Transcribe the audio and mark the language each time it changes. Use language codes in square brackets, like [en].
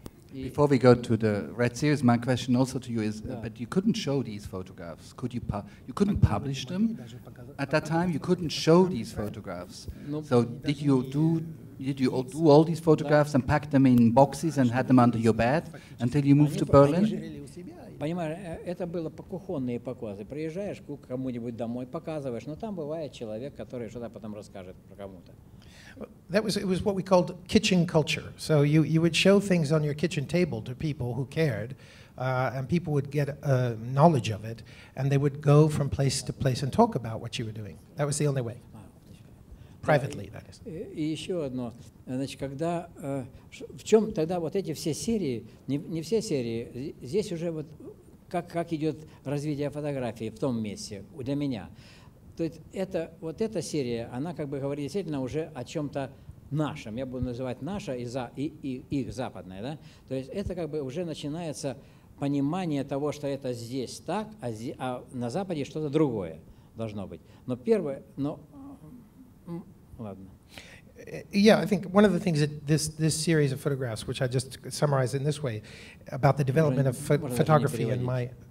[en] Before we go to the Red Series, my question also to you is, but you couldn't show these photographs. Could you you couldn't publish them at that time. You couldn't show these photographs. So did you do all these photographs and pack them in boxes and had them under your bed until you moved to Berlin? [ru] Понимаешь, это было покухонные показы. Приезжаешь к кому-нибудь домой, показываешь, но там бывает человек, который что-то потом расскажет про кому-то. [en] It was what we called kitchen culture. So you would show things on your kitchen table to people who cared, and people would get knowledge of it, and they would go from place to place and talk about what you were doing. That was the only way. Privately, that is. [ru] И еще одно. Значит, когда... В чем тогда вот эти все серии... Не все серии. Здесь уже вот как идет развитие фотографии в том месте для меня. То есть это, вот эта серия, она как бы говорит действительно уже о чем-то нашем. Я буду называть наше и их западное. Да? То есть это как бы уже начинается понимание того, что это здесь так, а на Западе что-то другое должно быть. Но первое... Но, ладно. [en] Yeah, I think one of the things that this series of photographs, which I just summarized in this way, about the development of photography and my...